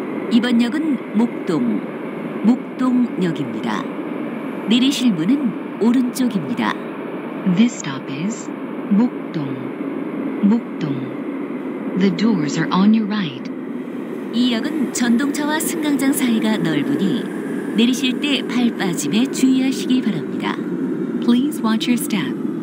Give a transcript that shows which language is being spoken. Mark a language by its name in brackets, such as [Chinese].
[Korean] 이번 역은 목동역입니다. 내리실 문은 오른쪽입니다. [English] This stop is 목동. The doors are on your right. [Korean] 이 역은 전동차와 승강장 사이가 넓으니 내리실 때 발 빠짐에 주의하시기 바랍니다. [English] Please watch your step.